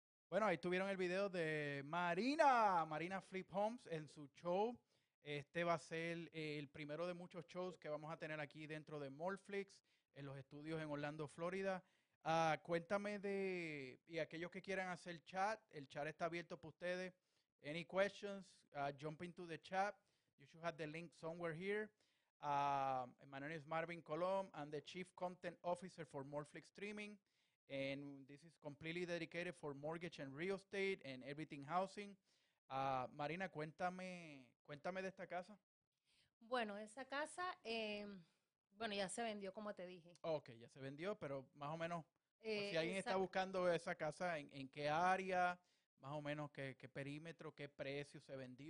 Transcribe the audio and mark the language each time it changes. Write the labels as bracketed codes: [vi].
[es] Bueno, ahí tuvieron el video de Marina Flip Homes en su show. Este va a ser el primero de muchos shows que vamos a tener aquí dentro de Mallflix, en los estudios en Orlando, Florida. Cuéntame de, y aquellos que quieran hacer chat, el chat está abierto para ustedes. [en] Any questions, jump into the chat. You should have the link somewhere here. My name is Marvin Colom. I'm the Chief Content Officer for Mallflix Streaming. And this is completely dedicated for mortgage and real estate and everything housing. [es] Marina, cuéntame de esta casa. Bueno, esa casa, ya se vendió, como te dije. Ok, ya se vendió, pero más o menos, si alguien está buscando esa casa, ¿en qué área? Más o menos, ¿qué perímetro, qué precio se vendió?